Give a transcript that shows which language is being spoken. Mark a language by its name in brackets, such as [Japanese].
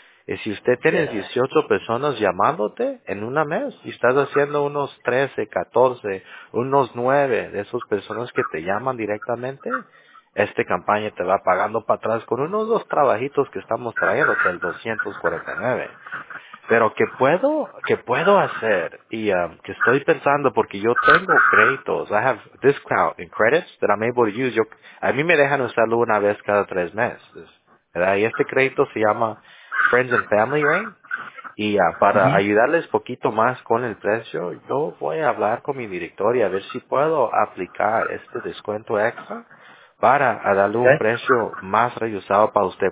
[Spanish] Y si usted tiene 18 personas llamándote en una mes y estás haciendo unos 13, 14, unos 9 de esas personas que te llaman directamente, esta campaña te va pagando para atrás con unos 2 trabajitos que estamos trayendo, que es el 249. Pero ¿qué puedo hacer? Y que estoy pensando, porque yo tengo créditos. [English] I have discount in credits that I'm able to use. [Spanish] A mí me dejan usarlo una vez cada 3 meses, ¿verdad? Y este crédito se llama Friends and Family, right? Y para ayudarles poquito más con el precio, yo voy a hablar con mi director y a ver si puedo aplicar este descuento extra para darle un precio más reducido para usted.